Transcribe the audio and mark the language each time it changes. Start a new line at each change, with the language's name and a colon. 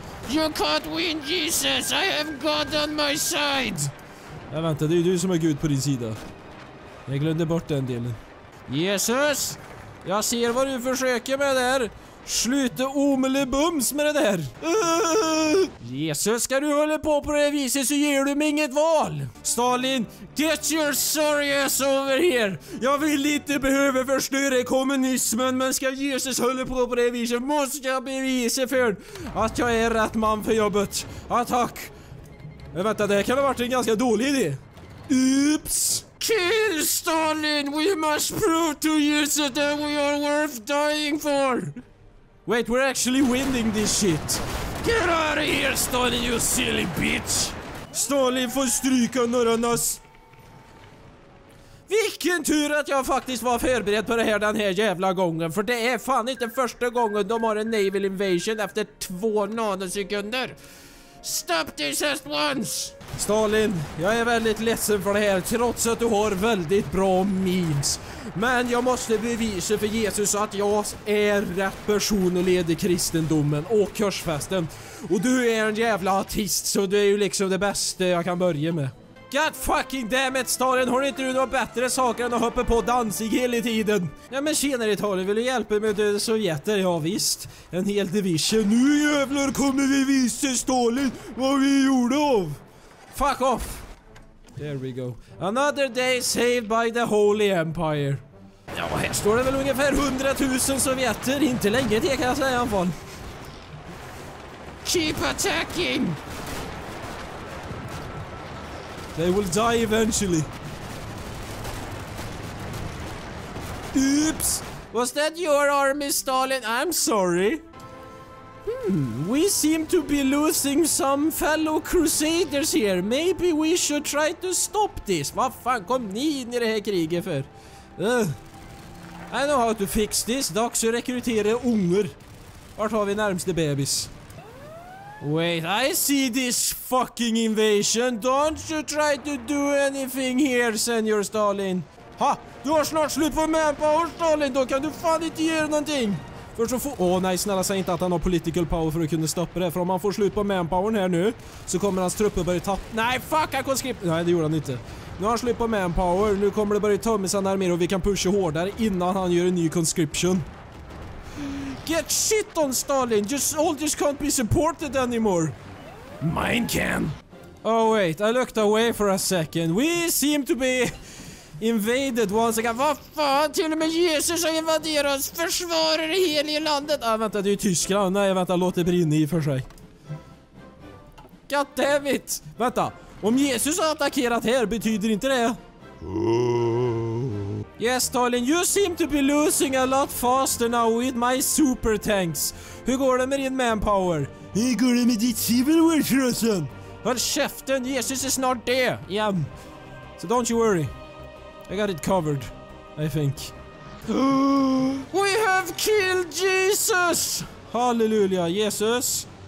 English: You can't win, Jesus! I have God on my side!
Swedish: Nej, vänta, det är du som har Gud på din sida. Jag glömde bort den delen. Jesus! Jag ser vad du försöker med det här. Sluta omelibums med det där. Jesus, ska du hålla på det viset så ger du mig inget val.
English: Stalin, get your sorry ass over here.
Swedish: Jag vill inte behöva förstöra kommunismen, men ska Jesus hålla på det viset måste jag bevisa för att jag är rätt man för jobbet. Attack. Men vänta, det här kan ha varit en ganska dålig idé. Oops.
English: Kill Stalin! We must prove to Jesus that we are worth dying for! Wait, we're actually winning this shit. Get out of here, Stalin, you silly bitch.
Swedish: Stalin får stryka norrarnas. Vilken tur att jag faktiskt var förberedd på det här den här jävla gången. För det är fan inte första gången de har en naval invasion efter 2 nanosekunder.
English: Stop this at once!
Swedish: Stalin, jag är väldigt ledsen för det här trots att du har väldigt bra memes. Men jag måste bevisa för Jesus att jag är rätt person och leder kristendomen och korsfästen. Och du är en jävla artist, så du är ju liksom det bästa jag kan börja med.
English: God fucking dammit,
Swedish: Stalin, har inte du några bättre saker än att hoppa på dansig hela tiden? Ja men tjenare Stalin, vill du hjälpa med att döda sovjeter? Ja visst, en hel division. Nu jävlar kommer vi visa Stalin vad vi gjorde av.
English: Fuck off. There we go. Another day saved by the Holy Empire.
Swedish: Ja, här står det väl ungefär 100 000 sovjeter. Inte länge det kan jag säga i alla fall.
English: Keep attacking. They will die eventually. Oops. Was that your army, Stalin? I'm sorry. We seem to be losing some fellow crusaders here. Maybe we should try to stop this.
Swedish: Vad fan kom ni in i det här kriget för?
English: I know how to fix this.
Swedish: Dags att rekrytera ungar. Vart har vi närmaste bebis?
English: Wait, I see this fucking invasion. Don't you try to do anything here, Senior Stalin.
Swedish: Ha! Du har snart slut på manpower, Stalin. Då kan du fan inte göra någonting. För så får... Åh nej, snälla säg inte att han har political power för att kunna stoppa det. För om han får slut på manpowern här nu så kommer hans trupper börja tappa... Nej, fuck, han konskript... Nej, det gjorde han inte. Nu har han slut på manpower. Nu kommer det börja tömma sina arméer och vi kan pusha hårdare innan han gör en ny conscription.
English: Get shit on, Stalin! Just soldiers can't be supported anymore. Mine can. Oh wait, I looked away for a second. We seem to be... invaded once again.
Swedish: Vad fan, till och med Jesus har invaderat oss. Försvarar det heliga landet. Ah, vänta, det är ju Tyskland. Nej, vänta, låt det brinna i för sig.
English: God damn it.
Swedish: Vänta, om Jesus har attackerat här, betyder inte det?
English: Yes, Stalin, you seem to be losing a lot faster now with my super tanks.
Swedish: Hur går det med din manpower? Hur går det med ditt civil war, Trussan? Håll käften, Jesus är snart där igen.
English: So don't you worry. I got it covered, I think. We have killed Jesus! Halleluja, Jesus!